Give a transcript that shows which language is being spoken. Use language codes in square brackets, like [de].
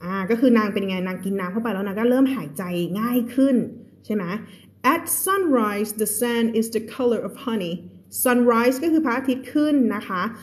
[th] ก็คือนางเป็นไงนางกินน้ำเข้าไปแล้วนางก็เริ่มหายใจง่ายขึ้นใช่ไหม [en] At sunrise, the sand is the color of honey. [th] Sunrise ก็คือพระอาทิตย์ขึ้นนะคะ